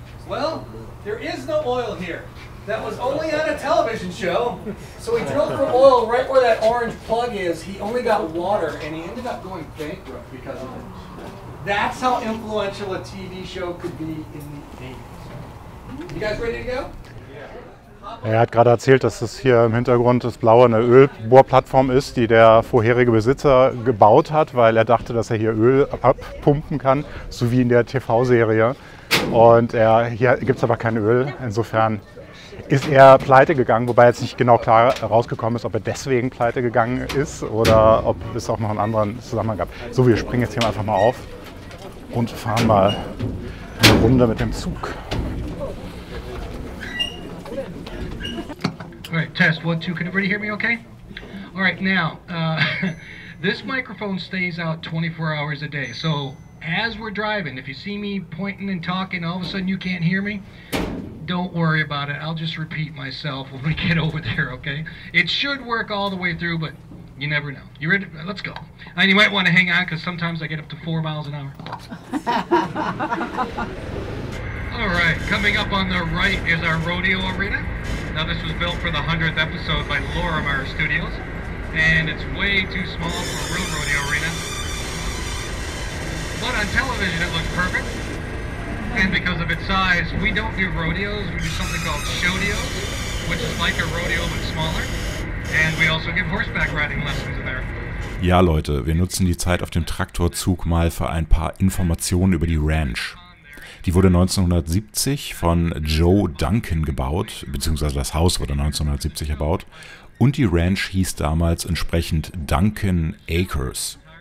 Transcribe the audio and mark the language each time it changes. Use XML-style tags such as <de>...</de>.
<en>Well, there is no oil here. That was only on a television show. So he drilled for oil right where that orange plug is. He only got water, and he ended up going bankrupt because of it. That's how influential a TV show could be in the 80s. You guys ready to go?</en> <de>Er hat gerade erzählt, dass das hier im Hintergrund das Blaue eine Ölbohrplattform ist, die der vorherige Besitzer gebaut hat, weil er dachte, dass er hier Öl abpumpen kann, so wie in der TV-Serie. Und hier gibt es aber kein Öl. Insofern, ist er pleite gegangen, wobei jetzt nicht genau klar rausgekommen ist, ob er deswegen pleite gegangen ist oder ob es auch noch einen anderen Zusammenhang gab. So, wir springen jetzt hier einfach mal auf und fahren mal eine Runde mit dem Zug.</de> <en>Alright, test 1, 2, can everybody hear me okay? Alright, now, this microphone stays out 24 hours a day, so as we're driving, if you see me pointing and talking, all of a sudden you can't hear me, don't worry about it, I'll just repeat myself when we get over there, okay? It should work all the way through, but you never know. You ready? Let's go. And you might want to hang on, because sometimes I get up to 4 miles an hour. Alright, coming up on the right is our rodeo arena. Now this was built for the 100th episode by Lorimar Studios, and it's way too small for a real rodeo arena. But on television it looks perfect, and because of its size, we don't do rodeos, we do something called showdeos, which is like a rodeo but smaller, and we also give horseback riding lessons there.</en> <de>Ja Leute, wir nutzen die Zeit auf dem Traktorzug mal für ein paar Informationen über die Ranch. Die wurde 1970 von Joe Duncan gebaut, beziehungsweise das Haus wurde 1970 erbaut, und die Ranch hieß damals entsprechend Duncan Acres.</de>